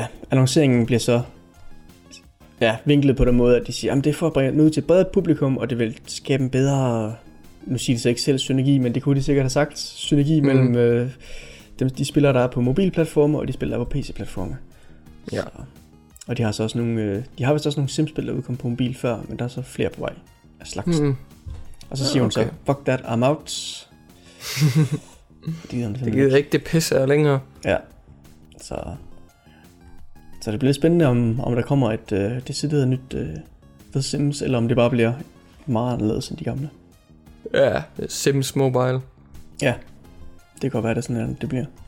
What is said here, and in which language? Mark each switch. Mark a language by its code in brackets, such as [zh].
[da] Annonceringen bliver så vinklet på den måde, at de siger, jamen det er for at bringe ud til et bredere publikum, og det vil skabe en bedre, nu siger de så ikke selv synergi, men det kunne de sikkert have sagt, synergi mellem de spiller der er på mobilplatformer, og de spiller der er på PC-platformer. Ja. Og de har så også nogle, de har vist også nogle Sims-spil, der udkom på mobil før, men der er så flere på vej af slags. Mm. Og så siger hun så, [en] fuck that, I'm out. [da] det gider ikke, det pisser længere. Ja. Så det bliver spændende, om der kommer et decideret nyt The Sims, eller om det bare bliver meget anderledes end de gamle. Ja, Sims Mobile. Ja, det kan godt være, at det sådan noget, det bliver.